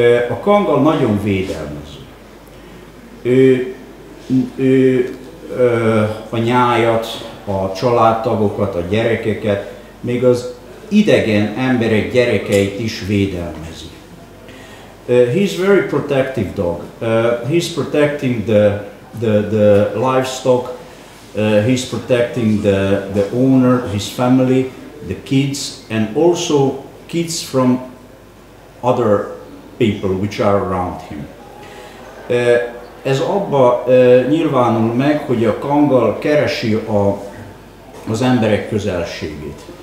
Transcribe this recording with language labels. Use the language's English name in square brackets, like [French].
[Hungarian] A kangal nagyon védelmező. Ő a nyájat, a családtagokat, a gyerekeket, még az idegen emberek gyerekeit is védelmezi. [English] He's very protective dog. He's protecting the livestock. He's protecting the owner, his family, the kids, and also kids from other people which are around him. [Hungarian] Ez abba nyilvánul meg, hogy a kangal keresi az emberek közelségét.